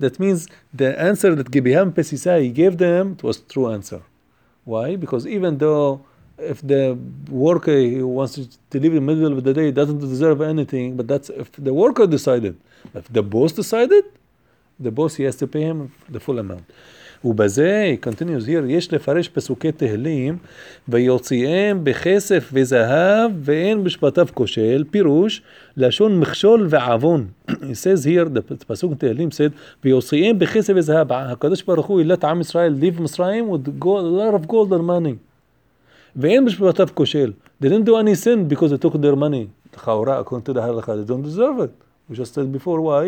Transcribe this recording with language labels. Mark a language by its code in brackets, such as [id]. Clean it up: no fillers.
[en] That means the answer that Gibeham Pesisai gave them, it was a true answer. Why? Because even though if the worker who wants to leave in the middle of the day doesn't deserve anything, but that's if the worker decided. But if the boss decided, the boss, he has to pay him the full amount. [he] ובזה, [en] he continues here, [he] יש לפרש פסוקי תהלים, ויוציאם בכסף וזהב, ואין בשפטיו כושל, פירוש, לשון מכשול ועוון. [en] He says here, the פסוק תהלים said, [he] ויוציאם בכסף וזהב, [en] הקדוש ברוך הוא, let עם ישראל leave מצרים with gold, a lot of gold and money. [he] ואין בשפטיו כושל. [en] They didn't do any sin because they took their money. חאורה, according to the הלכה, they don't deserve it. We just said before, why?